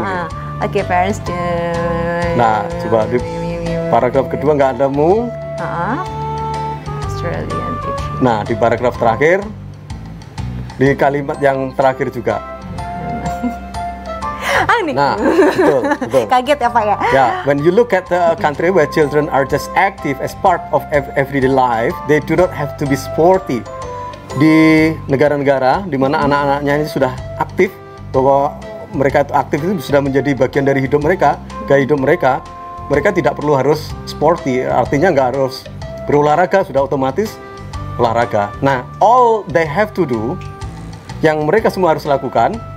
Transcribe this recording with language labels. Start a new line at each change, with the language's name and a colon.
English: Uh-huh. Oke, okay, parents do.
Indonesian: Nah, coba di paragraf kedua nggak nemu.
English: Australian teacher.
Indonesian: Nah, di paragraf terakhir di kalimat yang terakhir juga. Aneh. Nah, betul. Kaget ya Pak ya.
English: Yeah. When you look at the country where children are just active as part of everyday life, they do not have to be sporty.
Indonesian: Di negara-negara di mana anak-anaknya ini sudah aktif, bahwa mereka itu aktif itu sudah menjadi bagian dari hidup mereka, gaya hidup mereka, mereka tidak perlu harus sporty. Artinya nggak harus berolahraga, sudah otomatis olahraga. Nah, all they have to do, yang mereka semua harus lakukan.